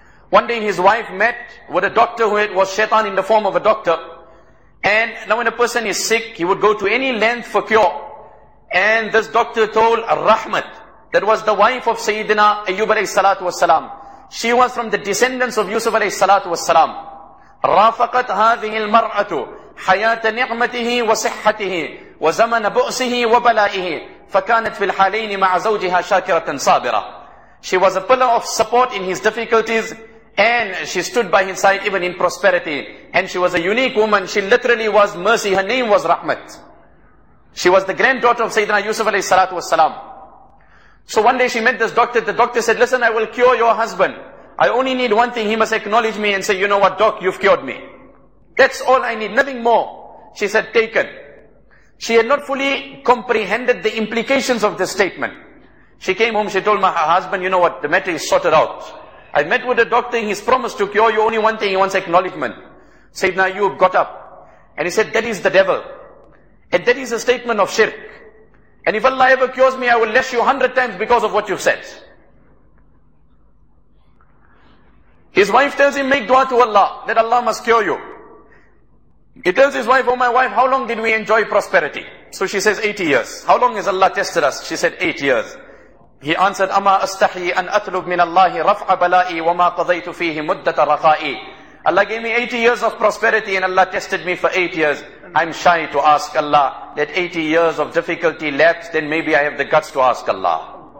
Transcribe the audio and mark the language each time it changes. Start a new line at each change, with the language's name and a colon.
English: One day his wife met with a doctor who was shaitan in the form of a doctor. And now when a person is sick, he would go to any length for cure. And this doctor told Rahmat, that was the wife of Sayyidina Ayyub alayhi salatu wassalam. She was from the descendants of Yusuf alayhi salatu wassalam.
Arabic: رافقت هذه المرأة حياة نعمته وصحته وزمن بؤسه وبلائه فكانت في الحالين مع زوجها شاكرة صابرة.
English: She was a pillar of support in his difficulties, and she stood by his side even in prosperity. And she was a unique woman. She literally was mercy. Her name was Rahmat. She was the granddaughter of Sayyidina Yusuf alayhi salatu wasalam. So one day she met this doctor. The doctor said, listen, I will cure your husband. I only need one thing. He must acknowledge me and say, you know what, doc, you've cured me. That's all I need, nothing more. She said, taken. She had not fully comprehended the implications of this statement. She came home, she told my husband, you know what, the matter is sorted out. I met with a doctor, he's promised to cure you, only one thing, he wants acknowledgement. Sayyidina Ayyub got up. And he said, that is the devil. And that is a statement of shirk. And if Allah ever cures me, I will lash you 100 times because of what you've said. His wife tells him, make dua to Allah, that Allah must cure you. He tells his wife, oh my wife, how long did we enjoy prosperity? So she says, 80 years. How long has Allah tested us? She said, 8 years. He answered,
Arabic: أَمَا أَسْتَحِي أَنْ أَطْلُبْ مِنَ اللَّهِ رَفْعَ بَلَائِي وَمَا قَضَيْتُ فِيهِ مُدَّةَ رَخَائِي.
English: Allah gave me 80 years of prosperity and Allah tested me for 8 years. I'm shy to ask Allah that 80 years of difficulty lapse, then maybe I have the guts to ask Allah.